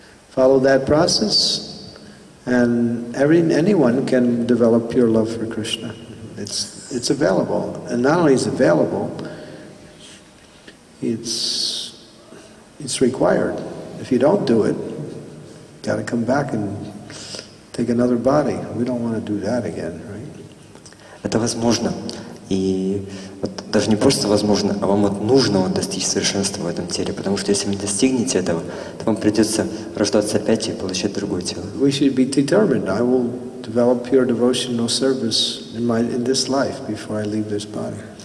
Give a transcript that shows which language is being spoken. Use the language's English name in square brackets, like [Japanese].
[English] Follow that process, and anyone can develop pure love for Krishna. It's available, and not only is it available, it's required. If you don't do it, you gotta come back and take another body. We don't want to do that again, right? [Russian] Это возможно, и вот даже не просто возможно, а вам нужно достичь совершенства в этом теле, потому что если вы не достигнете этого, то вам придется рождаться опять и получать другое тело. [English] We should be determined. I will develop pure devotional service in this life before I leave this body.